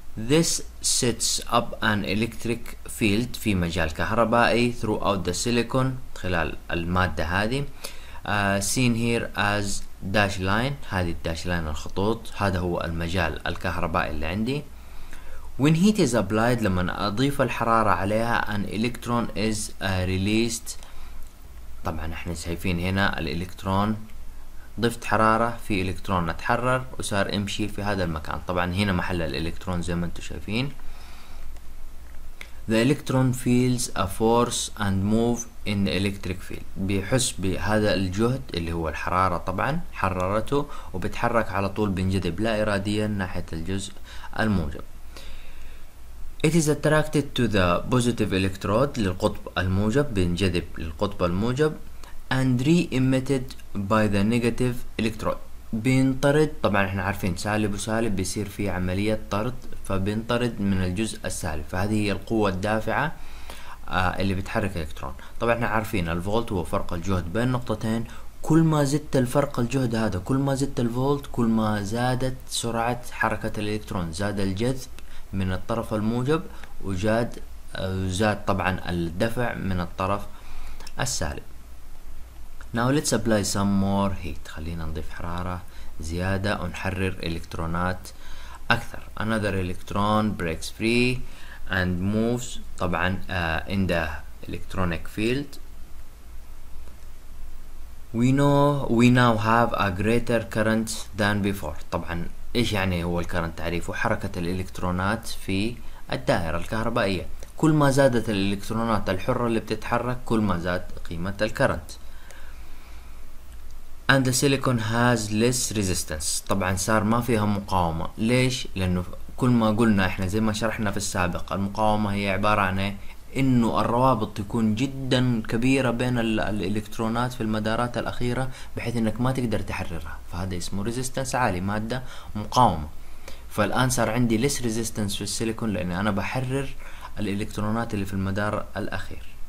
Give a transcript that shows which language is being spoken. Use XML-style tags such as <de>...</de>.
<en>This sets up an electric field،</en> <ar>في مجال كهربائي</ar> <en>throughout the silicon،</en> <ar>خلال المادة هذه.</ar> <en>Seen here as dash line،</en> <ar>هذه الداش لاين الخطوط، هذا هو المجال الكهربائي اللي عندي.</ar> <en>When heat is applied،</en> <ar>لما أضيف الحرارة عليها،</ar> <en>an electron is released.</en> <ar>طبعا احنا شايفين هنا الإلكترون، ضفت حرارة في إلكترون اتحرر وصار امشي في هذا المكان. طبعا هنا محل الإلكترون زي ما انتم شايفين.</ar> <en>The electron feels a force and move in the electric field.</en> <ar>بيحس بهذا الجهد اللي هو الحرارة، طبعا حررته وبتحرك على طول، بينجذب لا إراديا ناحية الجزء الموجب.</ar> <en>It is attracted to the positive electrode،</en> <ar>للقطب الموجب، بينجذب للقطب الموجب.</ar> <en>And re-emitted by the negative electrode،</en> <ar>بينطرد. طبعا احنا عارفين سالب وسالب بيصير في عملية طرد، فبينطرد من الجزء السالب، فهذه هي القوة الدافعة اللي بتحرك الإلكترون. طبعا احنا عارفين الفولت هو فرق الجهد بين نقطتين، كل ما زدت الفرق الجهد هذا، كل ما زدت الفولت، كل ما زادت سرعة حركة الإلكترون، زاد الجذب من الطرف الموجب وزاد طبعا الدفع من الطرف السالب.</ar> <en>Now let's apply some more heat.</en> <ar>خلينا نضيف حرارة زيادة ونحرر إلكترونات أكثر.</ar> <en>Another electron breaks free and moves.</en> <ar>طبعا</ar> <en>in the electronic field. We now have a greater current than before.</en> <ar>طبعا إيش يعني هو الكرنت؟ تعريفه حركة الإلكترونات في الدائرة الكهربائية. كل ما زادت الإلكترونات الحرة اللي بتتحرك، كل ما زاد قيمة الكرنت. And the silicon has less resistance. طبعا صار ما فيها مقاومة. ليش؟ لأنه كل ما قلنا إحنا زي ما شرحنا في السابق، المقاومة هي عبارة عن إنه الروابط تكون جدا كبيرة بين الإلكترونات في المدارات الأخيرة، بحيث إنك ما تقدر تحررها. فهذا اسمه ريزيستنس عالي، مادة مقاومة. فالآن صار عندي</ar> <en>less resistance</en> <ar>في السيليكون، لأني أنا بحرر الإلكترونات اللي في المدار الأخير.</ar>